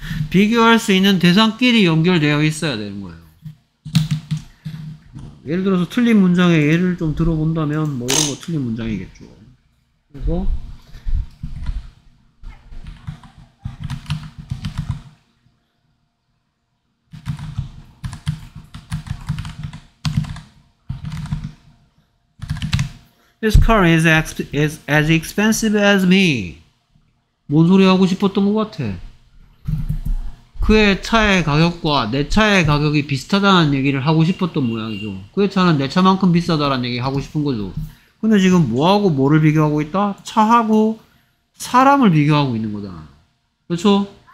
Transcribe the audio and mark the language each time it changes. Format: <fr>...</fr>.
<ko>비교할 수 있는 대상끼리 연결되어 있어야 되는 거예요. 예를 들어서 틀린 문장의 예를 좀 들어본다면 뭐 이런 거 틀린 문장이겠죠. 그래서</ko> <en>This car is as expensive as me.</en> <ko>뭔 소리 하고 싶었던 것 같아. 그의 차의 가격과 내 차의 가격이 비슷하다는 얘기를 하고 싶었던 모양이죠. 그의 차는 내 차만큼 비싸다라는 얘기 하고 싶은 거죠. 근데 지금 뭐하고 뭐를 비교하고 있다? 차하고 사람을 비교하고 있는 거잖아. 그렇죠?</ko>